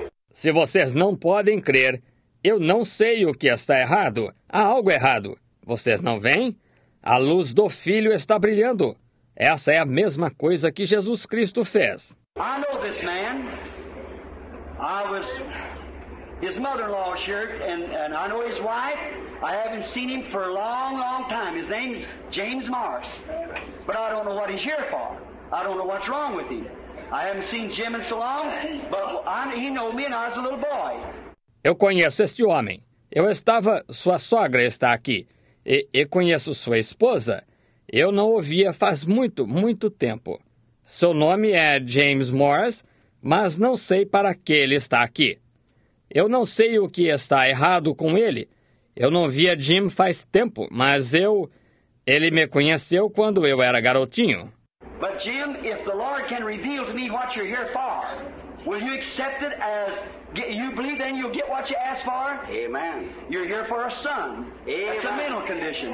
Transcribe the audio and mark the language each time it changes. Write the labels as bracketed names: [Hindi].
[Portuguese] Se vocês não podem crer, eu não sei o que está errado. Há algo errado. Vocês não veem? A luz do Filho está brilhando. Essa é a mesma coisa que Jesus Cristo fez. [English] I know this man. I was his mother-in-law, sure, and I know his wife. I haven't seen him for a long, long time. His name's James Morris. But I don't know what he's here for. I don't know what's wrong with him. I haven't seen Jim in so long, but he knew me and I was a little boy. [Portuguese] Eu conheço este homem. Eu estava... Sua sogra está aqui. E conheço sua esposa. Eu não ouvia faz muito, muito tempo. Seu nome é James Morris, mas não sei para que ele está aqui. Eu não sei o que está errado com ele. Eu não via Jim faz tempo, mas eu... Ele me conheceu quando eu era garotinho. [English] But Jim, if the Lord can reveal to me what you're here for, will you accept it as you believe then you'll get what you ask for? Amen. You're here for a son. Amen. That's a mental condition.